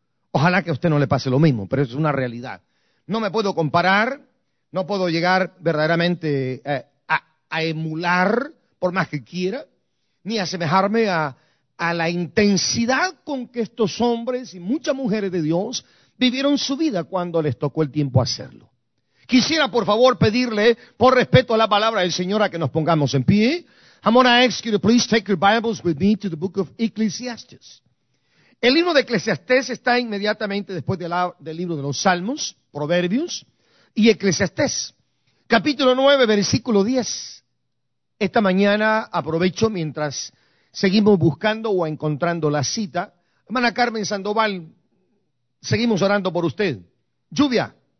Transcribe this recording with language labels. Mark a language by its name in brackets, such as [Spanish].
[Spanish] Ojalá que a usted no le pase lo mismo, pero es una realidad. No me puedo comparar, no puedo llegar verdaderamente a emular, por más que quiera, ni asemejarme a la intensidad con que estos hombres y muchas mujeres de Dios vivieron su vida cuando les tocó el tiempo hacerlo. Quisiera, por favor, pedirle, por respeto a la palabra del Señor, a que nos pongamos en pie. [English] I'm going to ask you to please take your Bibles with me to the book of Ecclesiastes. [Spanish] El libro de Eclesiastés está inmediatamente después del libro de los Salmos, Proverbios, y Eclesiastés, capítulo 9, versículo 10. Esta mañana aprovecho, mientras seguimos buscando o encontrando la cita, hermana Carmen Sandoval, seguimos orando por usted. Lluvia.